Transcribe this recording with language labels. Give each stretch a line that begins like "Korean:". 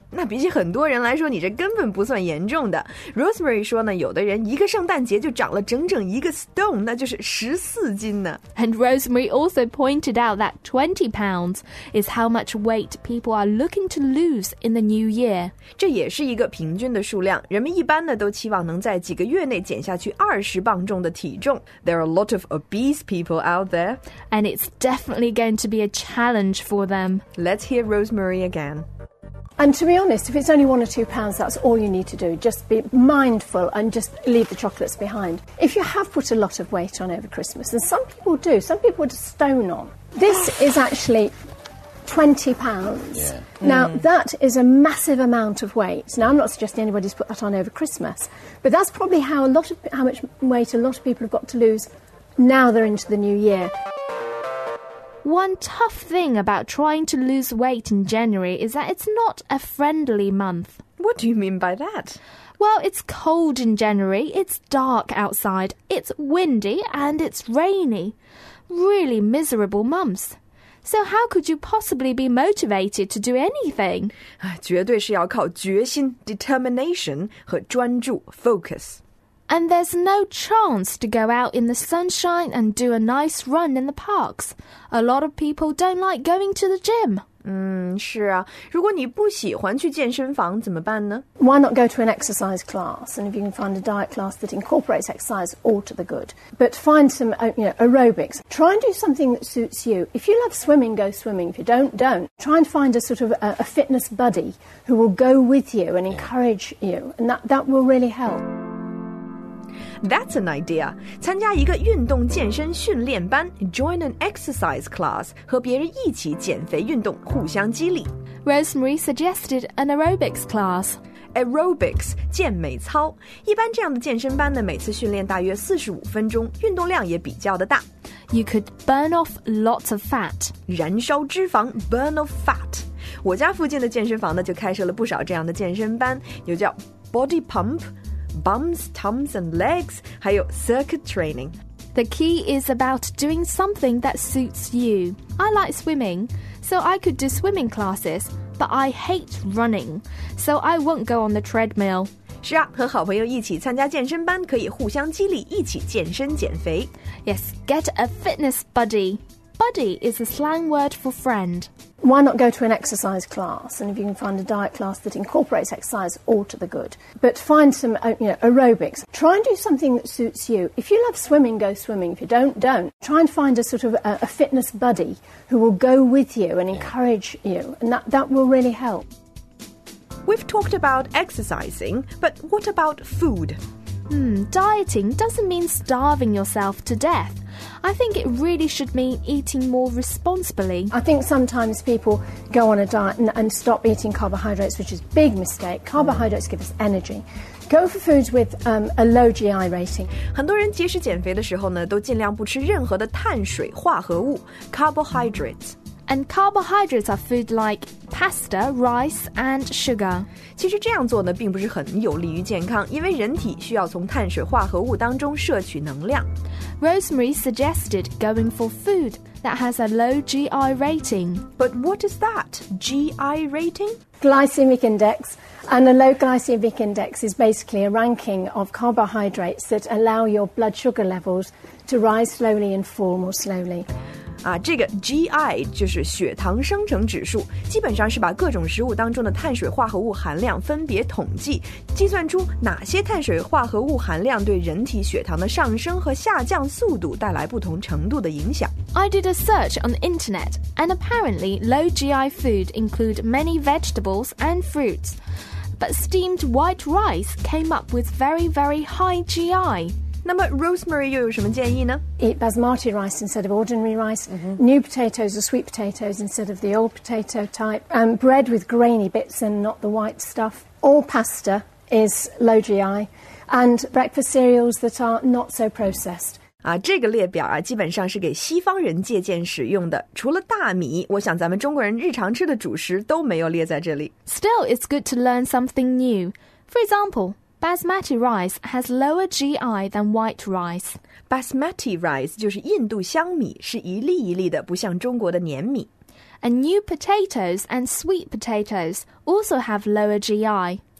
Chinese: 那比起很多人来说，你这根本不算严重的。Rosemary 说呢，有的人一个圣诞节就长了整整一个 stone, 那就是14斤呢。
English: And Rosemary also pointed out that 20 pounds is how much weight people are looking to lose in the new year. 这也是一个平均的数量。人们一般呢都期望能在几个月内减下去20磅重的体重。 There are a lot of obese people out there. And it's definitely going to be a challenge for them. Let's hear Rosemary again. And to be honest, if it's only 1 or 2 pounds, that's all you need to do. Just be mindful and just leave the chocolates behind. If you have put a lot of weight on over Christmas, and some people do, some people put a stone on. This is actually 20 pounds. Yeah. Now, that is a massive amount of weight. Now, I'm not suggesting anybody's put that on over Christmas, but that's probably how much weight a lot of people have got to lose now they're into the new year. One tough thing about trying to lose weight in January is that it's not a friendly month. What do you mean by that? Well, it's cold in January, it's dark outside, it's windy and it's rainy. Really miserable months. So how could you possibly be motivated to do anything?
Chinese: 绝对是要靠决心 determination 和专注 focus.
English: And there's no chance to go out in the sunshine and do a nice run in the parks. A lot of people don't like going to the gym.
Chinese: 是啊。如果你不喜欢去健身房怎么办呢？
English: Why not go to an exercise class? And if you can find a diet class that incorporates exercise, all to the good. But find some, you know, aerobics. Try and do something that suits you. If you love swimming, go swimming. If you don't. Try and find a sort of a fitness buddy who will go with you and encourage you. And that will really help. That's an idea.
Chinese: 参加一个运动健身训练班
English: join an exercise class,
Chinese: 和别人一起减肥运动互相激励。
English: Rosemary suggested an aerobics class.
Chinese: Aerobics, 健美操。一般这样的健身班呢每次训练大约45分钟运动量也比较的大。
English: You could burn off lots of fat.
Chinese: 燃烧脂肪
English: burn off fat.
Chinese: 我家附近的健身房呢就开设了不少这样的健身班有叫 body pump,Bums, tums, and legs, 还有 circuit training.
English: The key is about doing something that suits you. I like swimming, so I could do swimming classes, but I hate running, so I won't go on the treadmill.
Chinese: 是啊，和好朋友一起参加健身班，可以互相激励，一起健身减肥。
English: Yes, get a fitness buddy. Buddy is a slang word for friend. why not go to an exercise class? And if you can find a diet class that incorporates exercise, all to the good. But find some, you know, aerobics. Try and do something that suits you. If you love swimming, go swimming. If you don't, don't. Try and find a sort of a fitness buddy who will go with you and encourage you. And that will really help. We've talked about exercising, but what about food? Dieting doesn't mean starving yourself to death. I think it really should mean eating more responsibly. I think sometimes people go on a diet and stop eating carbohydrates, which is a big mistake. Carbohydrates give us energy. Go for foods with a low GI rating.
Chinese: 很多人节食减肥的时候呢，都尽量不吃任何的碳水化合物 carbohydrates.
English: And carbohydrates are food like pasta, rice, and sugar.
Chinese: 其实这样做呢，并不是很有利于健康，因为人体需要从碳水化合物当中摄取能量。
English: Rosemary suggested going for food that has a low GI rating. But what is that? GI rating? Glycemic index. And a low glycemic index is basically a ranking of carbohydrates that allow your blood sugar levels to rise slowly and fall more slowly.
Chinese: 这个 GI 就是血糖生成指数，基本上是把各种食物当中的碳水化合物含量分别统计，计算出哪些碳水化合物含量对人体血糖的上升和下降速度带来不同程度的影响。
English: I did a search on the internet, and apparently low GI food include many vegetables and fruits. But steamed white rice came up with very, very high GI.
Chinese: 那么 Rosemary 又有什么建议呢
English: Eat basmati rice instead of ordinary rice,、mm-hmm. new potatoes or sweet potatoes instead of the old potato type,、bread with grainy bits and not the white stuff. All pasta is low GI and breakfast cereals that are not so processed.
Chinese: 这个列表基本上是给西方人借鉴使用的。除了大米，我想咱们中国人日常吃的主食都没有列在这里。
English: Still, it's good to learn something new. For example,Basmati rice has lower GI than white rice.
Chinese: Basmati rice 就是印度香米，是一粒一粒的，不像中国的黏米。
English: And new potatoes and sweet potatoes also have lower GI.